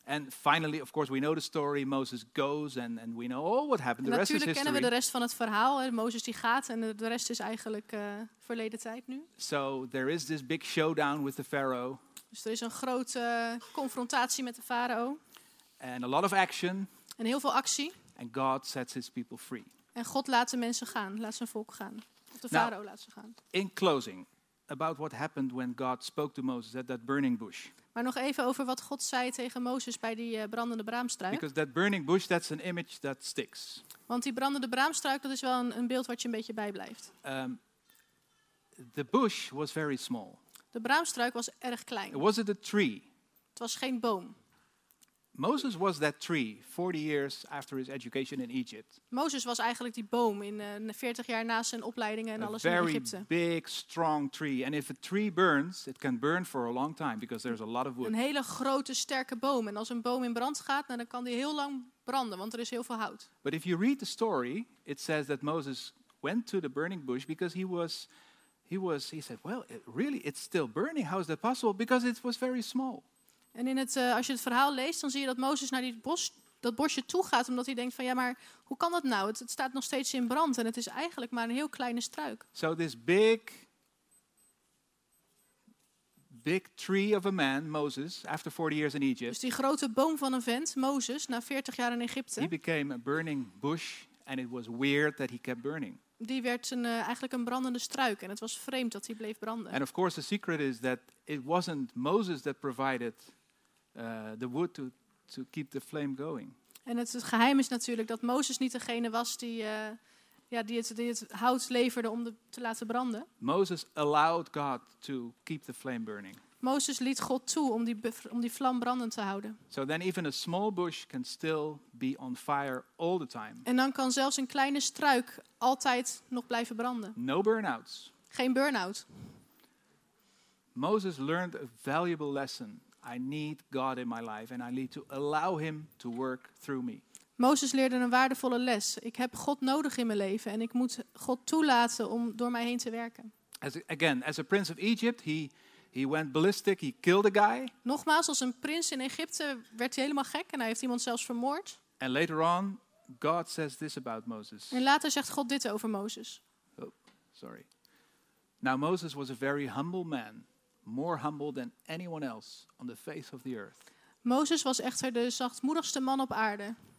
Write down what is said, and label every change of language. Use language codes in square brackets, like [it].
[en] And finally, of course, we know the story. Moses goes and we know all what happened. The rest is history. [nl] Natuurlijk kennen we de rest van het verhaal. Mozes die gaat en de rest is eigenlijk verleden tijd nu. [en] So there is this big showdown with the Pharaoh. [nl] Dus er is een grote confrontatie met de farao. [en] And a lot of action. [nl] En heel veel actie. [en] And God sets his people free. [nl] En God laat de mensen gaan, laat zijn volk gaan. Of de farao laat ze gaan. [en] In closing, about what happened when God spoke to Moses at that burning bush. [nl] Maar nog even over wat God zei tegen Mozes bij die brandende braamstruik. [en] Because that burning bush, that's an image that sticks. [nl] Want die brandende braamstruik, dat is wel een beeld wat je een beetje bijblijft. [en] The bush was very small. [nl] De braamstruik was erg klein. [en] Was it a tree? [nl] Het was geen boom. [en] Moses was that tree 40 years after his education in Egypt. [nl] Moses was eigenlijk die boom in 40 jaar na zijn opleidingen en alles in Egypte. [en] A very big, strong tree. And if a tree burns, it can burn for a long time because there's a lot of wood. [nl] Een hele grote, sterke boom. En als een boom in brand gaat, dan kan die heel lang branden, want er is heel veel hout. [en] But if you read the story, it says that Moses went to the burning bush because he said, well, it really, it's still burning. How is that possible? Because it was very small. [nl] En in het, als je het verhaal leest, dan zie je dat Mozes naar dat bosje toe gaat, omdat hij denkt van ja, maar hoe kan dat nou? Het staat nog steeds in brand en het is eigenlijk maar een heel kleine struik. [en] So this big tree of a man, Moses, after 40 years in Egypt. [nl] Dus die grote boom van een vent, Mozes, na 40 jaar in Egypte. [en] He became a burning bush and it was weird that he kept burning. [nl] Die werd eigenlijk een brandende struik en het was vreemd dat hij bleef branden. [en] And of course the secret is that it wasn't Moses that provided the wood to keep the flame going. [nl] En het geheim is natuurlijk dat Mozes niet degene was die het hout leverde om te laten branden. [en] Moses allowed God to keep the flame burning. [nl] Mozes liet God toe om die vlam brandend te houden. [en] So then even a small bush can still be on fire all the time. [nl] En dan kan zelfs een kleine struik altijd nog blijven branden. [en] No burnouts. [nl] Geen burn-out. [en] Moses learned a valuable lesson. I need God in my life and I need to allow him to work through me. [nl] Mozes leerde een waardevolle les. Ik heb God nodig in mijn leven en ik moet God toelaten om door mij heen te werken. [en] As a prince of Egypt, he went ballistic, he killed a guy. [nl] Nogmaals, als een prins in Egypte werd hij helemaal gek en hij heeft iemand zelfs vermoord. [en] And later on, God says this about Moses. [nl] En later zegt God dit over Mozes. [en] Oh, sorry. Now Moses was a very humble man, more humble than anyone else on the face of the earth. [nl] Mozes was echter de zachtmoedigste man op aarde.